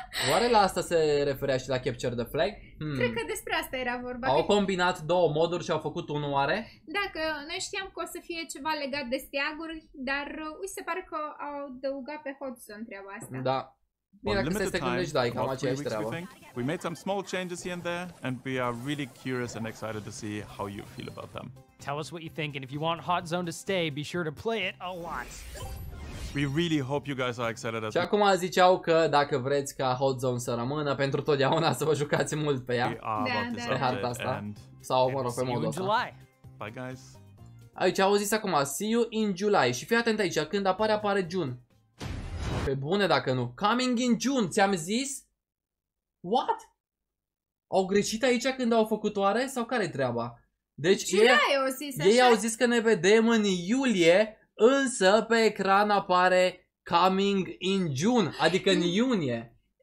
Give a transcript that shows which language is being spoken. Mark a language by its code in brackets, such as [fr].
[ro] Oare la asta se referea și la Capture the Flag? Cred că despre asta era vorba. Au combinat 2 moduri și au făcut unul oare? Da, că noi știam că o să fie ceva legat de steaguri, dar ui, se pare că au adăugat pe Hot Zone treaba asta. Da. Bine, dacă se gândești, da, e cam aceeași treabă. [en] We made some small changes here and there and we are really curious and excited to see how you feel about them. Tell us what you think and if you want Hot Zone to stay, be sure to play it a lot. We really hope you guys are excited as well. [ro] Acum ziceau că dacă vreți ca Hot Zone să rămână pentru totdeauna, să vă jucați mult pe ea. Pe harta asta. Sau, mă rog, pe modul ăsta. [en] Bye guys. [ro] Aici au zis acum [en] see you in July. [ro] Și fii atent aici, când apare June. Pe bune dacă nu. [en] Coming in June, [ro] ți-am zis? [en] What? [ro] Au greșit aici când au făcut oare? Sau care-i treaba? Deci ei au zis că ne vedem în iulie, însă pe ecran apare [en] coming in June, [ro] adică în iunie.